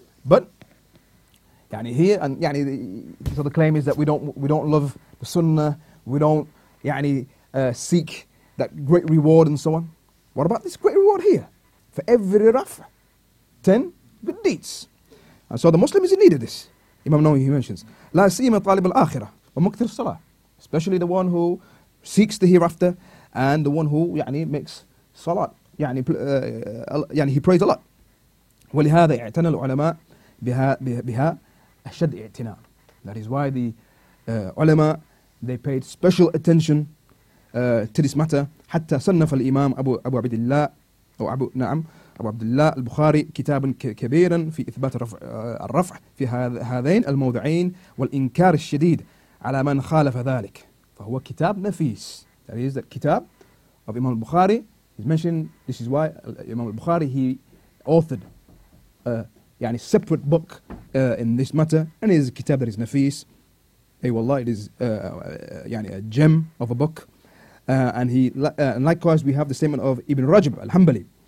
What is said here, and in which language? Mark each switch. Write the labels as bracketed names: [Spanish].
[English] But, yani here, and yani, so the claim is that we don't love the sunnah, we don't yani seek that great reward and so on. What about this great reward here? For every raf, 10 good deeds. And so the Muslim is in need of this. Imam Nawawi, he mentions, [Arabic] لا سيما طالب الآخرة ومكثر الصلاة. [English] Especially the one who seeks the hereafter and the one who yani makes salat. يعني he prays a lot. [Arabic] ولهذا اعتنى العلماء بها أشد اعتناء. [English] That is why the ulama, they paid special attention to this matter. [Arabic] حتى صنف الإمام أبو عبد الله أو أبو نعم أبو عبد الله البخاري كتابا كبيرا في إثبات الرفع في هذين الموضعين والإنكار الشديد على من خالف ذلك. فهو كتاب نفيس. [English] That is the كتاب of Imam al-Bukhari. He's mentioned, this is why Imam al-Bukhari, he authored يعني separate book in this matter, and his كتاب that is نفيس. Hey, والله, it is يعني a gem of a book. And likewise, we have the statement of Ibn Rajab al-Hanbali.